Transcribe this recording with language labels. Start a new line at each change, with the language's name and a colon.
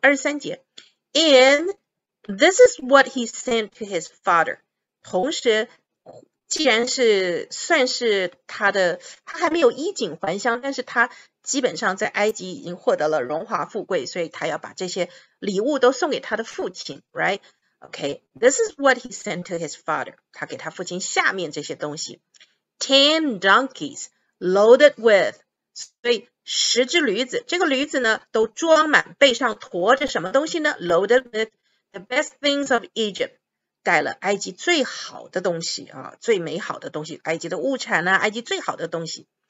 English: 23节 inThis is what he sent to his father.
Chinese: 同时既然是算是他的，他还没有衣锦还乡，但是他基本上在埃及已经获得了荣华富贵，所以他要把这些礼物都送给他的父亲，
English: right? Okay, this is what he sent to his father.
Chinese: 他给他父亲下面这些东西。
English: 10 donkeys loaded with.
Chinese: 所以十只驴子，这个驴子呢，都装满，背上驮着什么东西呢？
English: Loaded with the best things of Egypt.
Chinese: 带了埃及最好的东西啊，最美好的东西，埃及的物产呢，埃及最好的东西。